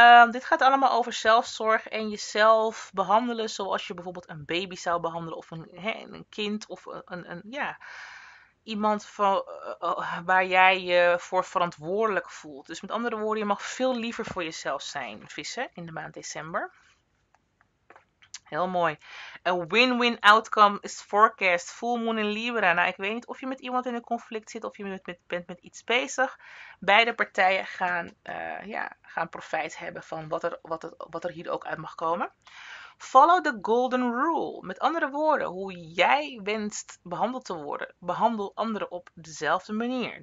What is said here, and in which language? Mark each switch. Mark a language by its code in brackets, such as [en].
[nl] Dit gaat allemaal over zelfzorg en jezelf behandelen zoals je bijvoorbeeld een baby zou behandelen. Of een kind of een ja... Iemand waar jij je voor verantwoordelijk voelt. Dus met andere woorden, je mag veel liever voor jezelf zijn, vissen, in de maand december. Heel mooi. [en] Een win-win outcome is forecast. Full moon in Libra. [nl] Nou, ik weet niet of je met iemand in een conflict zit of je bent met iets bezig. Beide partijen gaan, gaan profijt hebben van wat er hier ook uit mag komen. [en] Follow the golden rule. [nl] Met andere woorden, hoe jij wenst behandeld te worden, behandel anderen op dezelfde manier.